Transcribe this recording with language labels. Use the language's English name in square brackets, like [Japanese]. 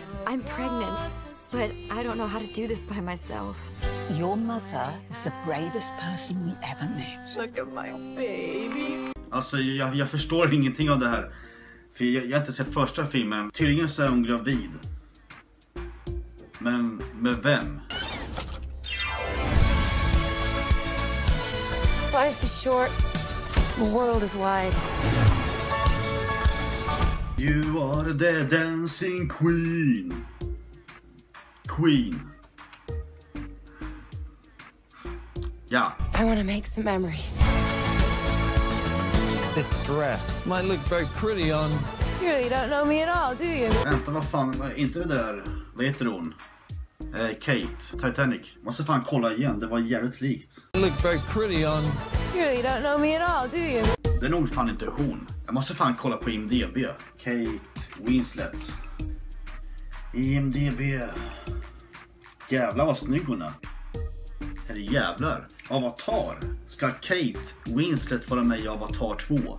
[English] I'm pregnant, but I don't know how to do this by myself. Your mother is the bravest person we ever met. Look at my baby. [Swedish] Alltså, jag förstår ingenting av det här. För jag har inte sett första filmen. Tydligen så är hon gravid. Men med vem? [English] Life is short. The world is wide. You are the dancing queen. Queen. [Swedish] Ja. [English] Yeah. I want to make some memories. This dress might look very pretty on. You really don't know me at all, do you? [Swedish] Vänta, vad fan, inte det där. Vad heter hon? Kate, Titanic. Måste fan kolla igen, det var jävligt likt. [English] Look very pretty on. You really don't know me at all, do you? [Swedish] Det är nog fan inte hon. Jag måste fan kolla på IMDb. Kate Winslet. IMDb. Jävlar vad snygg hon är. Herre jävlar. Avatar. Ska Kate Winslet vara med i Avatar 2?